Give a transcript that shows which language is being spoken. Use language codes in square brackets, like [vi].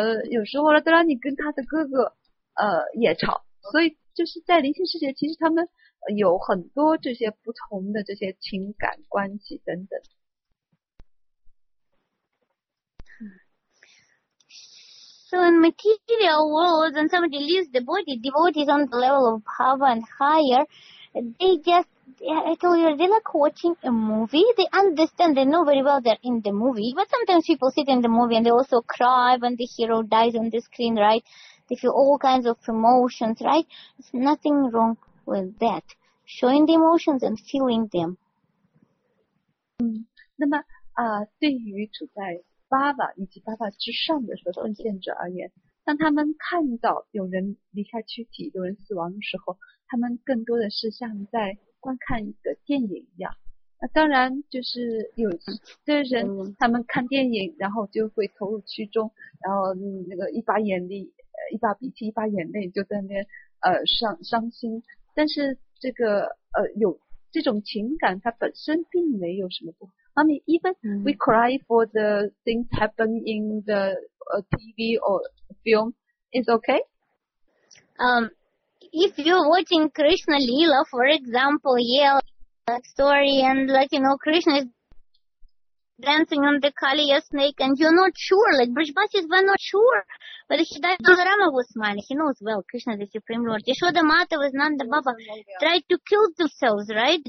[zh] 有时候拉德拉尼跟他的哥哥也吵，所以就是在灵性世界其实他们有很多这些不同的这些情感关系等等。 [en] So in material world, when somebody leaves the body, devotees on the level of bhava and higher, they just, I told you, they like watching a movie. They understand, they know very well they're in the movie. But sometimes people sit in the movie and they also cry when the hero dies on the screen, right? They feel all kinds of emotions, right? There's nothing wrong with that. Showing the emotions and feeling them. [zh] 那么对于处在Baba 以及 Baba 之上的分现者而言，当他们看到有人离开躯体，有人死亡的时候，他们更多的是像在观看一个电影一样。那当然就是有的人他们看电影然后就会投入其中，然后那个一把眼泪一把鼻涕一把眼泪就在那边伤心，但是这个有这种情感它本身并没有什么不好。 [en] I mean, even we cry for the things happen in the TV or film, it's okay? If you're watching Krishna Leela, for example, yeah, like story, and like, you know, Krishna is dancing on the Kaliya snake, and you're not sure, like, Brijbasis were not sure, but he died, Balarama was smiling, he knows well, Krishna the Supreme Lord, Yashoda Mata was Nanda Baba, tried to kill themselves, right?